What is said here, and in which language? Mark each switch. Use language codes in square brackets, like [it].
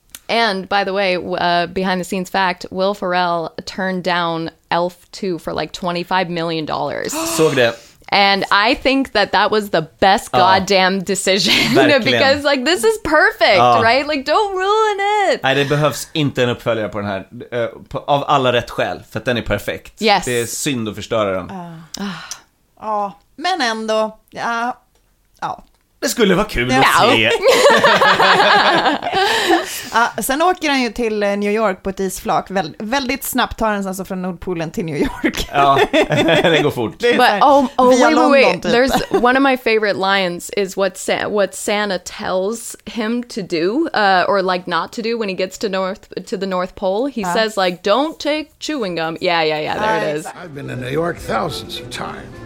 [en] And by the way, behind the scenes fact, Will Ferrell turned down Elf 2 for like $25 million. So good. And I think that that was the best goddamn decision. Because like, this is perfect, right? Like, don't ruin it. [sv] Nej, det behövs inte en uppföljare på den här. Av alla rätt skäl, för att den är perfekt. [en] Yes. [sv] Det är synd att förstöra den. Ja, men ändå. Ja, ja. Det skulle vara kul att se. Sen åker han ju till New York på ett isflak. Väldigt snabbt tar han alltså från Nordpolen till New York. Ja, det går fort. [en] But, oh, wait. There's one of my favorite lines is what Santa tells him to do or like not to do when he gets to the North Pole. He says like, don't take chewing gum. Yeah, there it is. I've been in New York thousands of times.